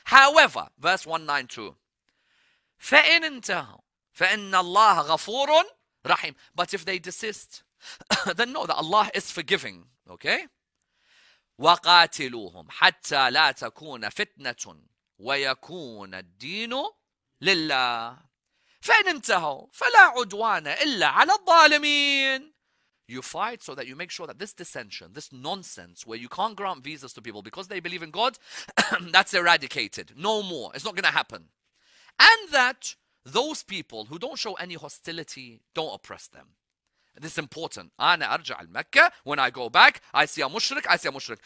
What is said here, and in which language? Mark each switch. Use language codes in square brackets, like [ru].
[en] However, verse 192, [ar] فَإِنَّ اللَّهَ غَفُورٌ رَحِيمٌ. [en] But if they desist, then know that Allah is forgiving, okay? [ar] وَقَاتِلُوهُمْ حَتَّى لَا تَكُونَ فِتْنَةٌ ويكون الدين لله فإن انتهوا فلا عدوان إلا على الظالمين. [en] You fight so that you make sure that this dissension, this nonsense where you can't grant visas to people because they believe in God, that's eradicated. No more. It's not going to happen. And that those people who don't show any hostility, don't oppress them. This is important. [ar] أنا أرجع المكة. [en] When I go back, I see a mushrik, I see a mushrik.